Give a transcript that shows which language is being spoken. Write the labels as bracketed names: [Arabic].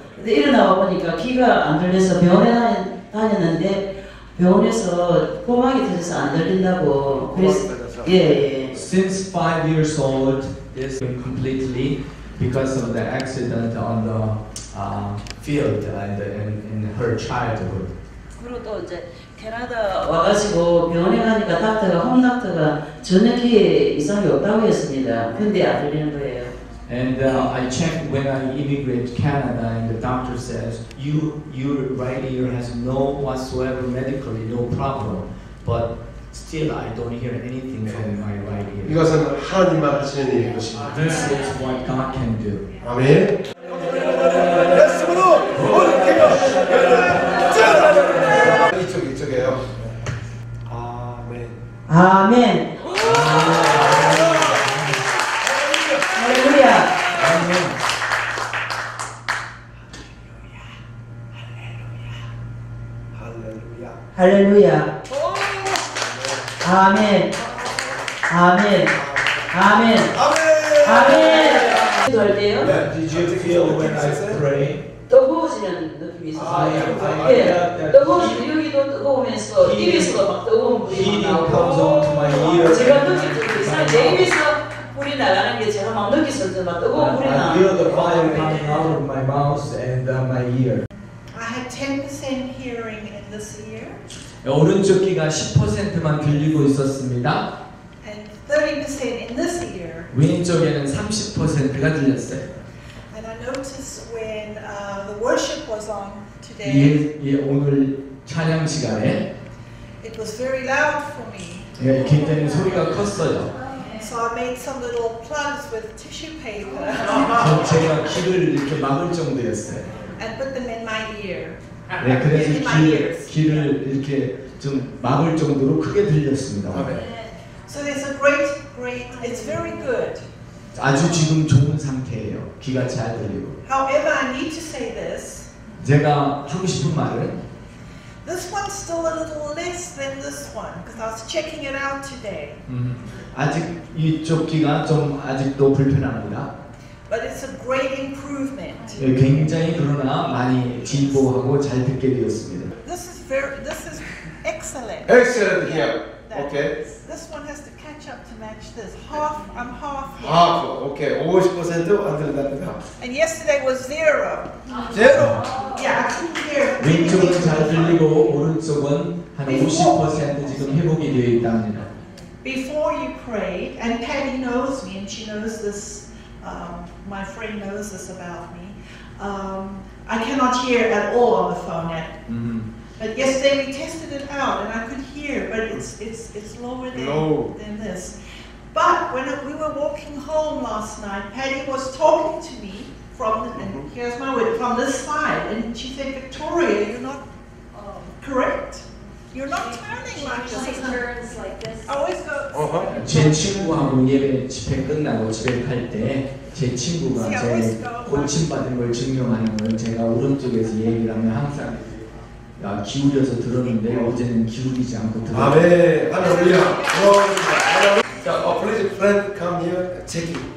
[Korean] 근데 일어나 보니까 귀가 안 들려서 병원에 다녔는데 병원에서 고막이 터져서 안 들린다고 그랬어요. 예, 예. [English] Since 5 years old, it's been completely because of the accident on the field and in her childhood. [Korean] 그리고 또 이제 캐나다 와가지고 병원에 가니까 닥터가 홈 닥터가 전혀 귀에 이상이 없다고 했습니다. 근데 안 들리는 거예요. [English] And I checked when I immigrated to Canada, and the doctor says your right ear has no whatsoever medically no problem, but still I don't hear anything from my right ear. [Korean] 이것은 하나님만 하시는 일인 것입니다. [English] This is what God can do. [Korean] 아멘. 예수님으로 올게요. 이쪽 이쪽에요. 아멘. 아멘. 할렐루야. 아멘. 아멘. 아멘. 아멘. 아멘. 기도할 때요. [English] Did you feel when I pray? [Korean] 뜨거우시는 느낌이 있었어요. 예. 뜨거우시는 여기도 뜨거우면서 입에서 막 뜨거운 불이 나오고. 제가 느낄 때도 있어요. 입에서 불이 나가는 게 제가 막 느꼈을 때 막 뜨거운 불이 나. [English] I feel the fire coming out of my mouth and my ear. I had 10% hearing in this ear. [Korean] 오른쪽 귀가 10%만 들리고 있었습니다. [English] And 30% in this ear. [Korean] 왼쪽에는 30%가 들렸어요. [English] And I noticed when the worship was on today. [Korean] 예, 오늘 찬양 시간에. [English] It was very loud for me. [Korean] 예, 굉장히 소리가 컸어요. [English] So I made some little plugs with tissue paper. [Korean] 제가 귀를 이렇게 막을 정도였어요. [English] And put them in my ear. [Korean] 네, 그래서 귀를 이렇게 좀 막을 정도로 크게 들렸습니다. [English] So there's a great, it's very good. [Korean] 아주 지금 좋은 상태예요. 귀가 잘 들리고. [English] However, I need to say this. [Korean] 제가 하고 싶은 말은. [English] This one's still a little less than this one because I was checking it out today. [Korean] 아직 이쪽 귀가 좀 아직도 불편합니다. [English] But it's a great improvement. [Korean] 예, 굉장히 그러나 많이 진보하고 잘 듣게 되었습니다. [English] This is excellent. Excellent here. Yeah. Okay. This one has to catch up to match this. Half, I'm half. Here. Half. Okay. [Korean] 50% 안 들린답니다. [English] And yesterday was zero. Zero. Yeah, I couldn't hear. [Korean] 왼쪽은 잘 들리고 오른쪽은 한 50% 지금 회복이 되어 있답니다. [English] Before you prayed, and Patty knows me, and she knows this. My friend knows this about me. I cannot hear at all on the phone yet. But yesterday we tested it out, and I could hear, but it's lower than this. But when we were walking home last night, Patty was talking to me from here's my word from this side, and she said, "Victoria, you're not correct." You're not turning like this. She turns like this. Always go. Uh-huh. [Korean] 제 친구하고 예배 집회 끝나고 집에 갈 때 제 친구가 제 고침 받은 걸 증명하는 걸 제가 오른쪽에서 얘기를 하면 항상 나 기울여서 들었는데 어제는 기울이지 않고 들었어요. 아멘. 할렐루야. 고맙습니다. 자, [English] please friend come here. [Korean] 제기.